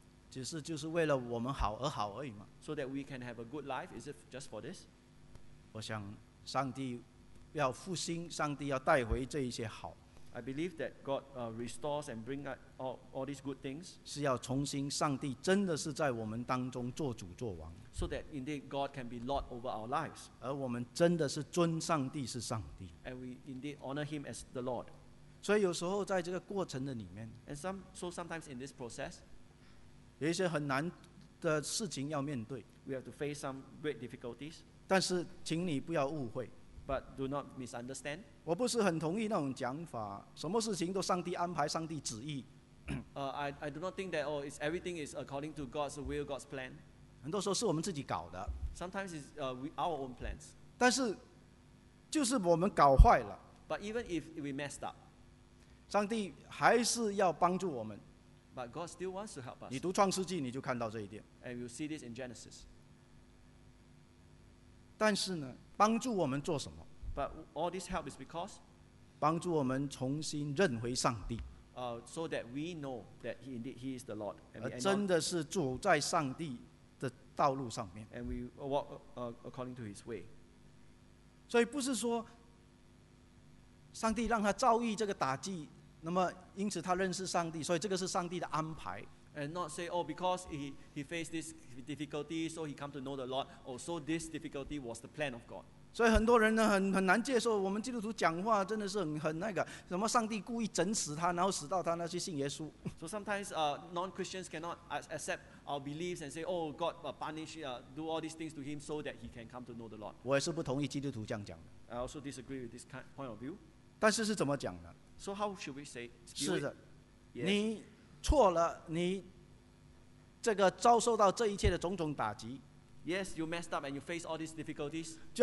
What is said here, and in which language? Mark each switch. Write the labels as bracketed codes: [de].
[zh] 就是为了我们好而好而已嘛。 [en] So that we can have a good life, is it just for this? [zh] 我想上帝要复兴，上帝要带回这一些好。 [en] I believe that God restores and bring all these good things. [zh] 是要重新，上帝真的是在我们当中做主做王。 [en] So that indeed God can be Lord over our lives. [zh] 而我们真的是尊上帝是上帝。 [en] And we indeed honor Him as the Lord. [zh] 所以有时候在这个过程的里面 [en] And so sometimes in this process, [zh] 有一些很难的事情要面对 [en] We have to face some great difficulties [zh] 但是请你不要误会 [en] But do not misunderstand [zh] 我不是很同意那种讲法什么事情都上帝安排上帝旨意 [en] I do not think that everything is according to God's will, God's plan [zh] 很多时候是我们自己搞的 [en] Sometimes it's our own plans [zh] 但是就是我们搞坏了 [en] But even if we messed up [zh] 上帝还是要帮助我们。 [en] But God still wants to help us. [zh] 你读创世纪，你就看到这一点。 [en] And you see this in Genesis. [zh] 但是呢，帮助我们做什么 [en] ？But all this help is because [zh] 帮助我们重新认回上帝。 [en] So that we know that He indeed He is the Lord. [zh] 而真的是走在上帝的道路上面。 [en] And we walk according to His way. [zh] 所以不是说。上帝让他遭遇这个打击，那么因此他认识上帝，所以这个是上帝的安排。 [en] and not say, oh, because he faced this difficulty, so he come to know the Lord, oh, so this difficulty was the plan of God. [zh] 所以很多人呢很难接受我们基督徒讲话真的是很那个什么上帝故意整死他然后死到他那去信耶稣。 [en] So sometimes non-Christians cannot accept our beliefs and say, oh, God punish, do all these things to him so that he can come to know the Lord. [zh] 我也是不同意基督徒这样讲的。 [en] I also disagree with this point of view. [zh] 但是是怎么讲呢？ [en] So how should we say? [zh] 是的， [en] yes. [zh] 你错了，你这个遭受到这一切的种种打击。 [en] Yes, you messed up and you face all these difficulties.